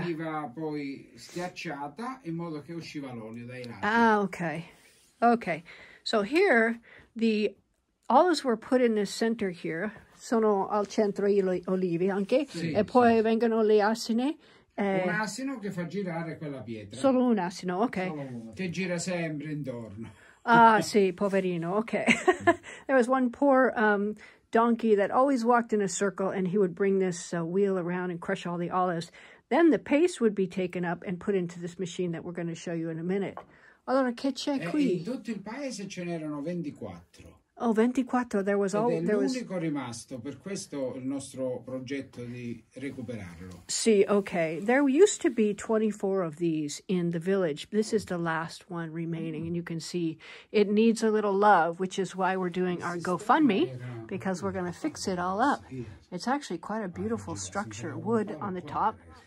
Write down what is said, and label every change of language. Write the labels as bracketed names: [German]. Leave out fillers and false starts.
[Italian] E veniva poi schiacciata in modo che usciva l'olio dai lati. Ah, okay. Okay. [English] So here, the olives were put in the center here. [Italian] Sono al centro gli olivi anche. Sì, e poi sì. vengono le asine. Un asino che fa girare quella pietra. Solo un asino, okay. Solo uno, che gira sempre intorno. Ah, sì, poverino. Okay. [English] There was one poor donkey that always walked in a circle and he would bring this wheel around and crush all the olives. Then the paste would be taken up and put into this machine that we're going to show you in a minute. [Italian] Allora, che c'è qui? In tutto il paese ce n'erano 24. [English] Oh, 24. There was all... [Italian] Ed è l'unico rimasto, per questo il nostro progetto di recuperarlo. Sì, okay. [English] There used to be 24 of these in the village. This is the last one remaining, mm-hmm. and you can see it needs a little love, which is why we're doing our GoFundMe, because we're going to fix it all up. It's actually quite a beautiful structure, wood on the top.